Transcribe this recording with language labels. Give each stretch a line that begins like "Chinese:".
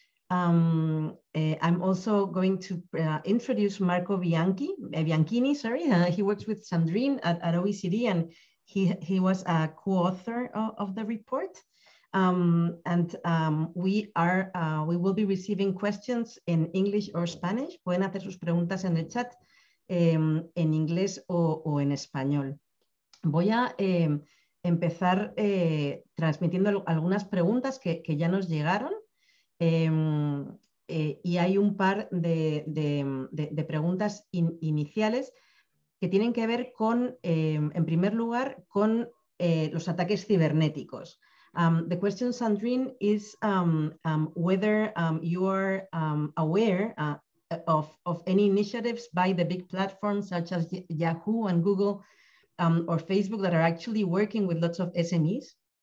English: I'm also going to introduce Marco Bianchini. Sorry, he works with Sandrine at OECD, and he was a co-author of the report. We will be receiving questions in English or Spanish.
Spanish: Pueden hacer sus preguntas en el chat en inglés o en español. Voy a empezar transmitiendo algunas preguntas que ya nos llegaron. Y hay un par de preguntas iniciales que tienen que ver con, en primer lugar, con los ataques cibernéticos.
English: The question, Sandrine, is whether you are aware of any initiatives by the big platforms such as Yahoo and Google or Facebook that are actually working with lots of SMEs.